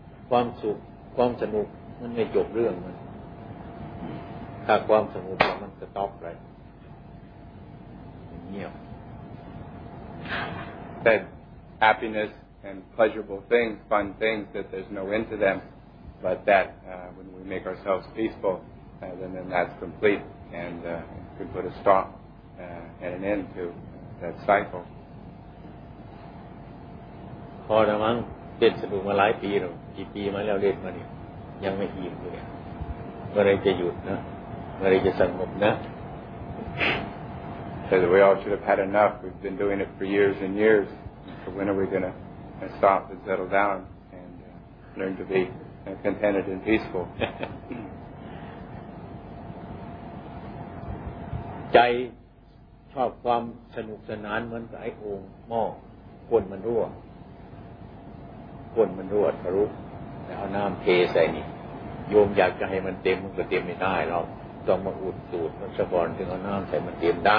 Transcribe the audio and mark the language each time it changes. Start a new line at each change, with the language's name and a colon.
Thai: ความสนุกมันไม่จบเรื่องมันถ้าความสนุกมันจะต๊อกเลยเงียบ
English: That happiness and pleasurable things, fun things, that there's no end to them, but that when we make ourselves peaceful, then that's complete. And could put a stop and an end to that cycle.
Thai: พอละมั้งเล่นสนุกมาหลายปีแล้วกี่ปีมาแล้วเล่นมาเนี่ยยังไม่อิ่มเลยเมื่อไรจะหยุดนะเมื่อไรจะสงบนะ
English: So that we all should have had enough. We've been doing it for years and years. So when are we gonna stop and settle down and learn to be contented and peaceful?
Thai: ใจชอบความสนุกสนานเหมือนกับไอ้โอ่งหม้อก้นมันรั่วก้นมันรั่วทะลุแล้วเอาน้ำเทใส่นี่โยมอยากจะให้มันเต็มมันก็เต็มไม่ได้หรอกต้องมาอุดสูตรมันซะก่อนถึงเอาน้ำใส่มันเต็มได